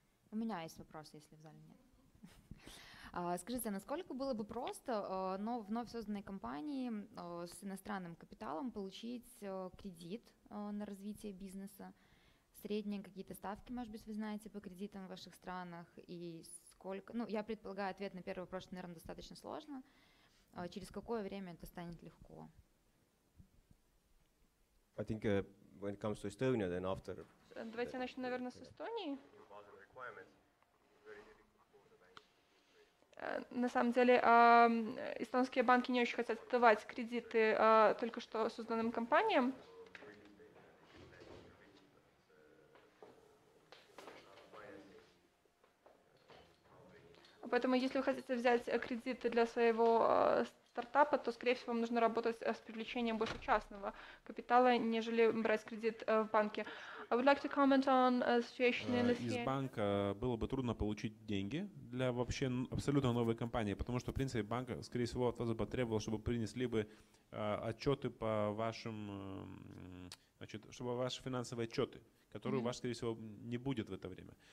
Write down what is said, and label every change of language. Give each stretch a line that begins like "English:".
Russian: У меня есть вопрос, если в зале нет. Скажите, насколько было бы просто вновь созданной компании с иностранным капиталом получить кредит на развитие бизнеса? Средние какие-то ставки, может быть, вы знаете по кредитам в ваших странах? И сколько? Ну, я предполагаю, ответ на первый вопрос, наверное, достаточно сложно. Через какое время это станет легко?
English: I think when it comes to Estonia, then after…
Russian: Давайте я начну, наверное, с Эстонии. На самом деле, эстонские банки не очень хотят отдавать кредиты только что созданным компаниям. Поэтому, если вы хотите взять кредиты для своего стартапа, то, скорее всего, вам нужно работать с привлечением больше частного капитала, нежели брать кредит в банке.
English: I would like to comment on situation in
Russian: Из банка было бы трудно получить деньги для вообще абсолютно новой компании, потому что, в принципе, банк, скорее всего, от вас бы требовал, чтобы принесли бы отчеты по вашим, значит, чтобы ваши финансовые отчеты, которые у вас, скорее всего, не будет в это время.